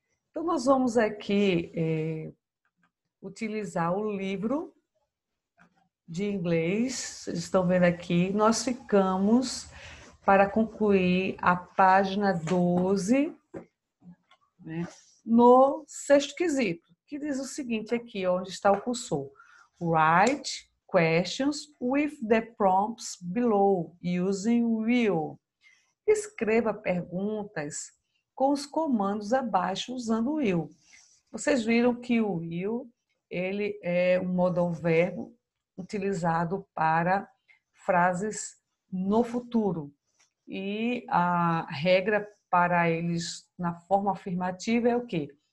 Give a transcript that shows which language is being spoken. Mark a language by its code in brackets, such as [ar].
[pt] Então nós vamos aqui utilizar o livro de inglês, vocês estão vendo aqui, nós ficamos para concluir a página 12, né, no sexto quesito, que diz o seguinte aqui, onde está o cursor. [en] Write questions with the prompts below, using will. [pt] Escreva perguntas com os comandos abaixo, usando will. Vocês viram que o will, ele é um modal verbo utilizado para frases no futuro. E a regra para eles na forma afirmativa é o quê?